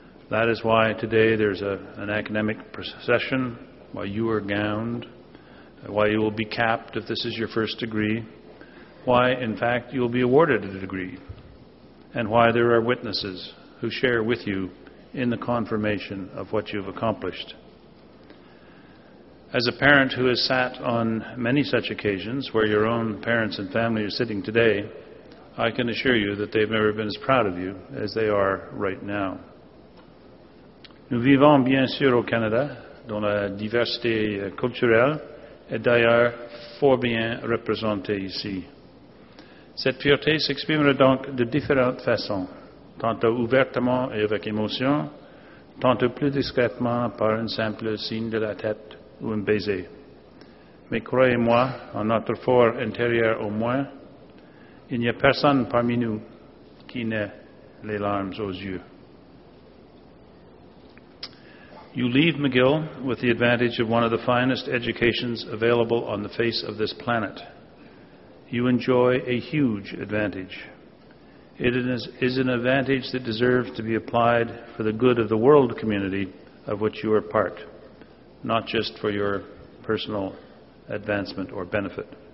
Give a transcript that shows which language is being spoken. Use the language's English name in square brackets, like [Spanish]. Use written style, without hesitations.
[English] That is why today there's an academic procession, why you are gowned, why you will be capped if this is your first degree, why, in fact, you will be awarded a degree, and why there are witnesses who share with you in the confirmation of what you've accomplished. As a parent who has sat on many such occasions where your own parents and family are sitting today, I can assure you that they've never been as proud of you as they are right now. [French] Nous vivons bien sûr au Canada, dont la diversité culturelle est d'ailleurs fort bien représentée ici. Cette fierté s'exprimera donc de différentes façons, tantôt ouvertement et avec émotion, tantôt plus discrètement par un simple signe de la tête ou un baiser. Mais croyez-moi, en notre fort intérieur au moins, il n'y a personne parmi nous qui n'ait les larmes aux yeux. [English] You leave McGill with the advantage of one of the finest educations available on the face of this planet. You enjoy a huge advantage. It is an advantage that deserves to be applied for the good of the world community of which you are part, not just for your personal advancement or benefit.